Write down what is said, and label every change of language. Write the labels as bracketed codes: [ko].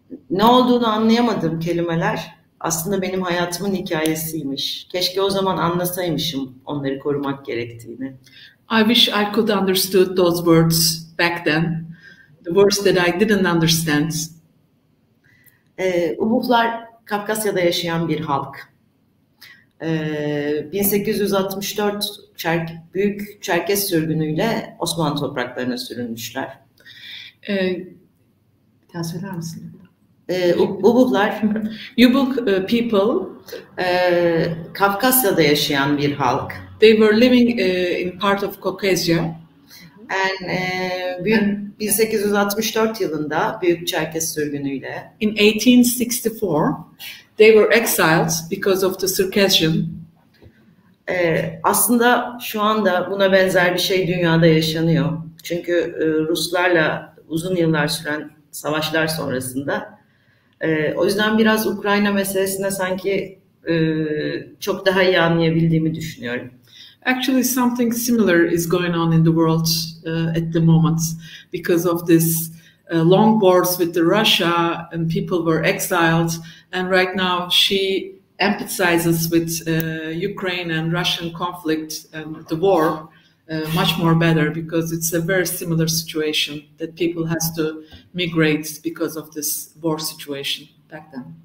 [tr] Ne olduğunu anlayamadığım kelimeler aslında benim hayatımın hikayesiymiş. Keşke o zaman anlasaymışım onları korumak gerektiğini. [en] I wish I could understood those words back then. The words that I didn't understand. [tr] Ubuhlar Kafkasya'da yaşayan bir halk. 1864 büyük Çerkes sürgünüyle Osmanlı topraklarına sürülmüşler. Bir daha söyler misin? Ubuhlar, [en] Ubuk people, [tr] Kafkasya'da yaşayan bir halk. [en] They were living in part of Caucasia. [tr] And 1864 yılında Büyük Çerkes sürgünüyle. [en] In 1864, they were exiled because of the Circassian. [tr] Aslında şu anda buna benzer bir şey dünyada yaşanıyor. Çünkü Ruslarla uzun yıllar süren savaşlar sonrasında. O yüzden biraz Ukrayna meselesine sanki çok daha iyi anlayabildiğimi düşünüyorum. [en] Actually, something similar is going on in the world at the moment because of this long wars with the Russia and people were exiled. And right now she empathizes with Ukraine and Russian conflict and the war much more better because it's a very similar situation that people has to migrate because of this war situation back then.